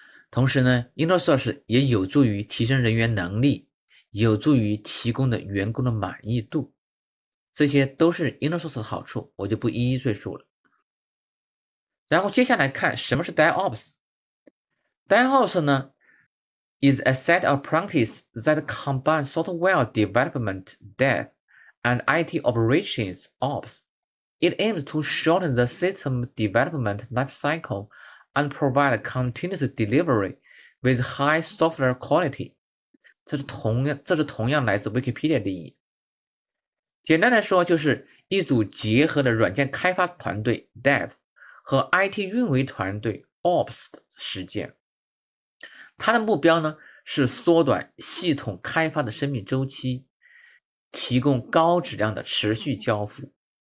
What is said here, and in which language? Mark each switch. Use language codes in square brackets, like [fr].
[zh] 同时呢，Innersource 也有助于提升人员能力，有助于提供的员工的满意度，这些都是 Innersource 的好处，我就不一一赘述了。然后接下来看什么是 DevOps。 [en] DevOps 呢，is a set of practices that combine software development, dev, and IT operations ops. It aims to shorten the system development lifecycle and provide continuous delivery with high software quality。 [zh] 这是同样来自 Wikipedia 的意义。简单来说，就是一组结合了软件开发团队 Dev 和 IT 运维团队 Ops 的实践。它的目标呢，是缩短系统开发的生命周期，提供高质量的持续交付。